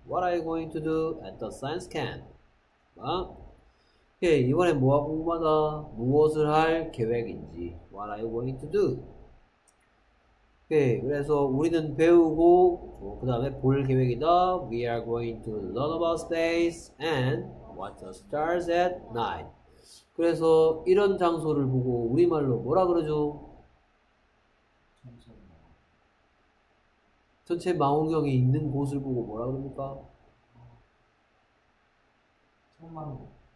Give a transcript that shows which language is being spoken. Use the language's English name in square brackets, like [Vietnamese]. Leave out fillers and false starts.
[English] What are you going to do at the science camp? [Korean] 예, 이번에 뭐가 궁금하다? 무엇을 할 계획인지. [English] What are you going to do? [Korean] 예, 그래서 우리는 배우고, 그 다음에 볼 계획이다. [English] We are going to learn about space and watch the stars at night. [Korean] 그래서 이런 장소를 보고 우리말로 뭐라 그러죠? 전체 망원경이 있는 곳을 보고 뭐라 그럽니까? 천만원.